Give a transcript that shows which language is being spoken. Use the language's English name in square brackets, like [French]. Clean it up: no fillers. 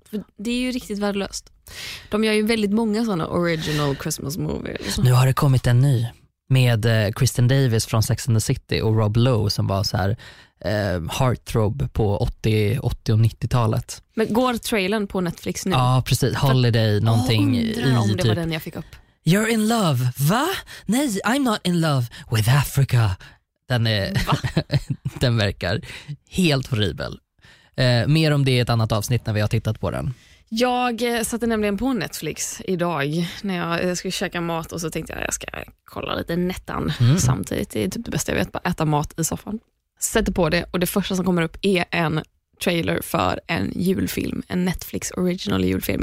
[Swedish] För det är ju riktigt värdelöst. De gör ju väldigt många såna original Christmas movies. Nu har det kommit en ny med Kristen Davis från Sex and the City och Rob Lowe som var så här heartthrob på 80 och 90-talet. Men går trailern på Netflix nu? Ja, precis. Holiday någonting. Undrar om det var den jag fick upp. [English] You're in love. Va? Nej, I'm not in love with Africa. [Swedish] Den verkar helt horribel. Mer om det i ett annat avsnitt när vi har tittat på den. Jag satte nämligen på Netflix idag när jag skulle käka mat och så tänkte jag ska kolla lite Nettan samtidigt. Det är typ det bästa jag vet, bara äta mat i soffan. sätter på det och det första som kommer upp är en trailer för en julfilm, en Netflix original julfilm.